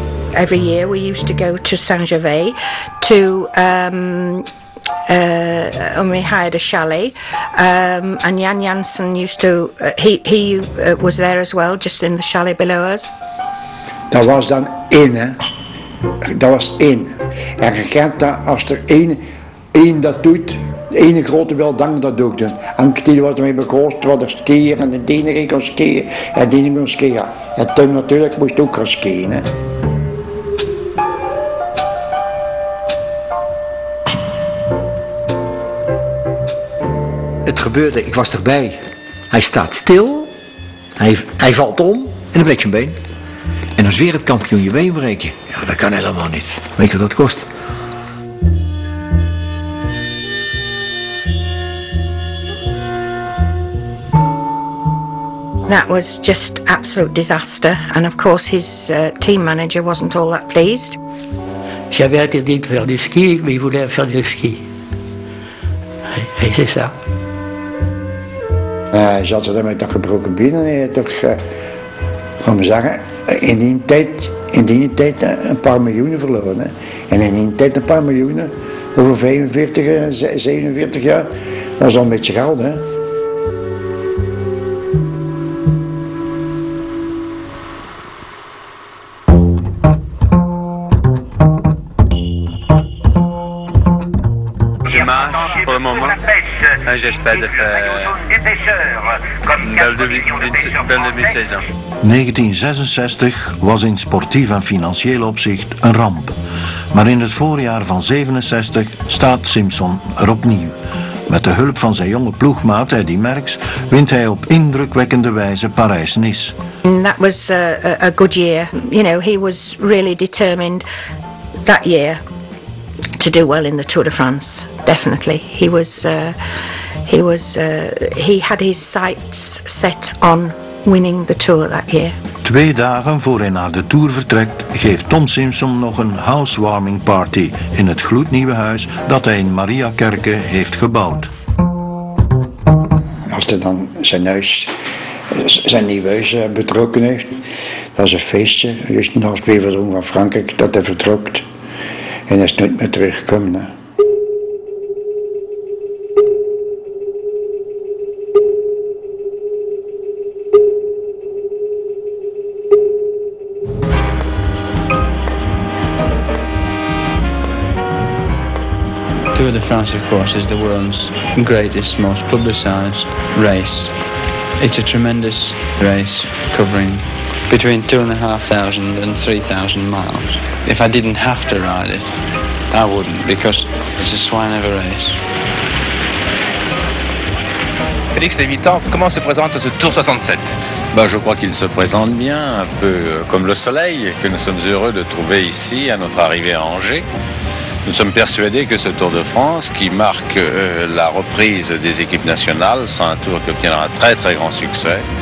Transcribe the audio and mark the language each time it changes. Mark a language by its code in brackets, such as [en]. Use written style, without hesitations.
[en] Every year we used to go to Saint-Gervais to, and we hired a chalet, and Jan Janssen used to, he was there as well, just in the chalet below us. [nl] Dat was dan één, hè. Dat was één. En je kent dat, als er één dat doet, één grote wil dank dat doet. Dus. En die was ermee begroost, wat er skiën, en die ging gaan skiën, en die ging gaan skiën. En toen natuurlijk moest ook gaan skiën, hè. Het gebeurde, ik was erbij. Hij staat stil, hij valt om en dan breek je een been. En als wereldkampioen je been breek je. Ja, dat kan helemaal niet. Weet je wat dat kost? [en] That was just absolute disaster. And of course his team manager wasn't all that pleased. [fr] J'avais interdit de faire du ski, mais il voulait faire du ski. Et c'est ça. [nl] Zat ze dan met dat gebroken binnen en toch, om te zeggen, in die tijd een paar miljoenen verloren. Hè. En in die tijd een paar miljoenen, over 45, 47 jaar, dat is al een beetje geld. Hè. Voor het moment. un gespa de [fr] belle de mi-saison. [nl] 1966 was in sportief en financieel opzicht een ramp. Maar in het voorjaar van 67 staat Simpson er opnieuw. Met de hulp van zijn jonge ploegmaat Eddy Merckx wint hij op indrukwekkende wijze Parijs-Nice. That was a good year. You know, he was really determined that year to do well in the Tour de France. Definitely, he had his sights set on winning the Tour that year. Twee dagen voor hij naar de Tour vertrekt, geeft Tom Simpson nog een housewarming party in het gloednieuwe huis dat hij in Mariakerke heeft gebouwd. Als hij dan zijn nieuwe huis betrokken heeft, dat is een feestje. Hij is nog weer van Frankrijk dat hij vertrokt en hij is nooit meer teruggekomen. Hè. [en] Tour de France, of course, is the world's greatest, most publicized race. It's a tremendous race covering between 2,500 and 3,000 miles. If I didn't have to ride it, I wouldn't, because it's a swine of a race. [fr] Félix Lévitan, comment se présente ce Tour 67? Ben, je crois qu'il se présente bien, un peu comme le soleil, que nous sommes heureux de trouver ici à notre arrivée à Angers. Nous sommes persuadés que ce Tour de France, qui marque la reprise des équipes nationales, sera un tour qui obtiendra un très très grand succès.